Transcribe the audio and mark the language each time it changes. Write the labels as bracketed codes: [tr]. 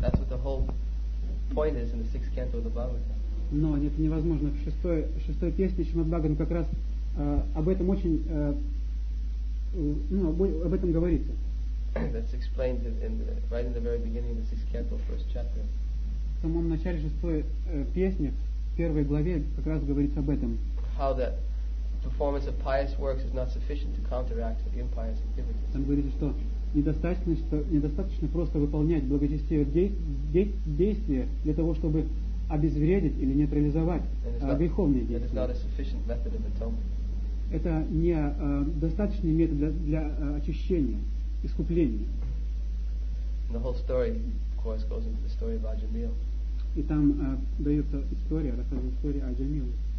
[en] That's what the whole point is in the sixth canto of the Bhagavad. [ru] Но это невозможно. В шестой песне Шримад-Бхагаван как раз об этом очень об этом говорится. [en] That's explained right in the very beginning of the sixth canto, first chapter. [ru] В самом начале шестой песни, в первой главе, как раз говорится об этом. [en] How that the performance of pious works is not sufficient to counteract the impious activities. [ru] Там говорится, что недостаточно просто выполнять благочестивые действия для того, чтобы обезвредить или нейтрализовать греховные действия. [en] And it's not a sufficient method of atonement. [ru] Это не достаточный метод для очищения, искупления. [en] And the whole story, of course, goes into the story of Ajamil. [ru] И там дается история, рассказывает история о Джамиле.